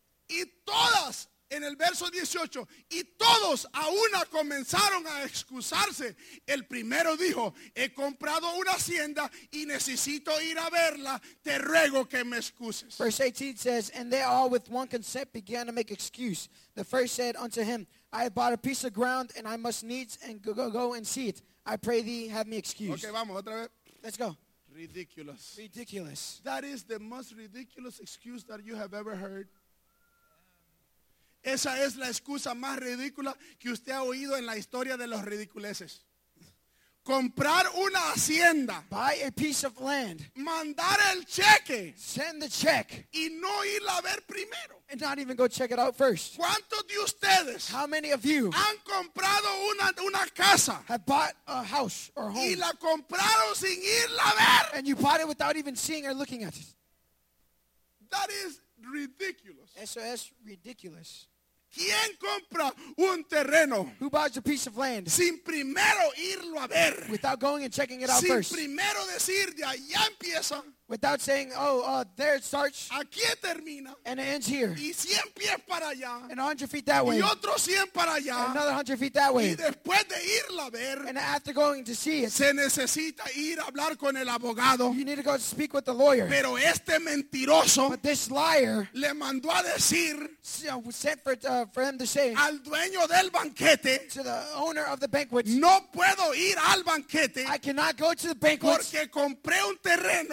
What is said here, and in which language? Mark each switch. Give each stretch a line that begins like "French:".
Spanish: Y todas, en el verso 18, y todos a una comenzaron a excusarse. El primero dijo, he comprado una hacienda y necesito ir a verla. Te ruego que me excuses.
English: Verse 18 says, and they all with one consent began to make excuse. The first said unto him, I have bought a piece of ground and I must needs and go and see it. I pray thee, have me excused.
Spanish: Okay, vamos, otra vez.
English: Let's go. Ridiculous. Ridiculous. That is the most ridiculous excuse that you have ever heard.
Spanish: Esa es la excusa más ridícula que usted ha oído en la historia de los ridiculeces. Comprar una hacienda.
English: Buy a piece of land.
Spanish: Mandar el cheque.
English: Send the check.
Spanish: Y no irla a ver primero.
English: And not even go check it out first.
Spanish: ¿Cuántos de ustedes?
English: How many of you?
Spanish: Han comprado una casa.
English: Have bought a house or home.
Spanish: Y la compraron sin irla a ver.
English: And you bought it without even seeing or looking at it. That is ridiculous.
Spanish: Eso es ridiculous. ¿Quién compra un terreno?
English: Who buys a piece of land?
Spanish: Sin primero irlo a ver.
English: Without going and checking it out
Spanish: sin
English: first.
Spanish: Sin primero decir de allá empieza.
English: Without saying, oh, there it starts.
Spanish: Aquí termina.
English: And it ends here.
Spanish: Y 100 pies para allá.
English: And 100 feet that way.
Spanish: Y otro 100 para allá.
English: And another 100 feet that way.
Spanish: Y después de irlo a ver.
English: And after going to see it.
Spanish: Se necesita ir a hablar con el abogado.
English: You need to go speak with the lawyer.
Spanish: Pero este mentiroso.
English: But this liar.
Spanish: Le mandó a decir.
English: Sent for him to say.
Spanish: Al dueño del banquete.
English: To the owner of the banquet.
Spanish: No puedo ir al banquete.
English: I cannot go to the banquet.
Spanish: Porque compré un terreno.